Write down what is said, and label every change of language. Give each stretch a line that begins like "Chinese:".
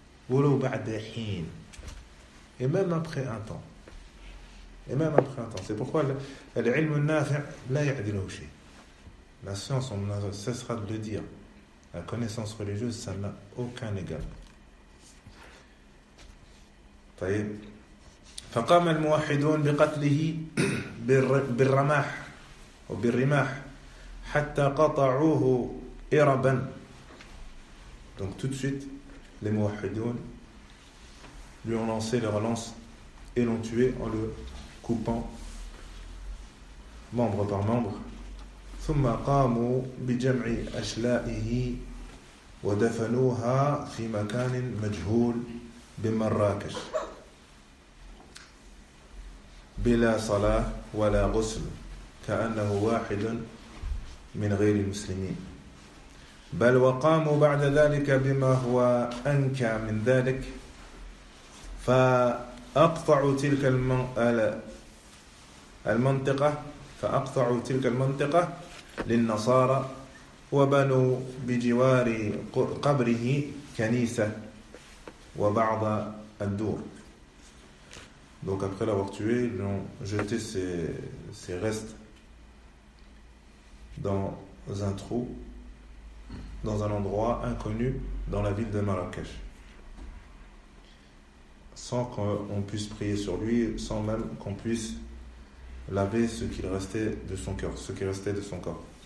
Arabic: وَلَوْ بَعْدَ حِينَ.
French: Et même après un temps. Et même après un temps. C'est pourquoi
Arabic: الْعِلْمُ النَّافِعْ لَا يَعْدِلُهُ شَيْءٍ.
French: La science, on ne cessera de le dire. La connaissance religieuse, ça n'a aucun égal.
Arabic: طيب. فقام الموحدون بقتله بالرماح وبالرماح حتى قطعوه إربا.
French: Donc tout de suite, les موحدون lui ont lancé leur lance et l'ont tué en le coupant membre par membre.
Arabic: ثم قاموا بجمع أشلائه ودفنوها في مكان مجهول بمراكش بلا صلاة ولا غسل كأنه واحد من غير المسلمين بل وقاموا بعد ذلك بما هو أنكى من ذلك فأقطعوا تلك المنطقة للنصارى وبنوا بجوار قبره كنيسة وبعض الدور.
French: Donc après l'avoir tué, ils ont jeté ses restes dans un trou, dans un endroit inconnu dans la ville de Marrakech, sans qu'on puisse prier sur lui, sans même qu'on puisse laver ce qu'il restait de son cœur, ce qui restait de son corps.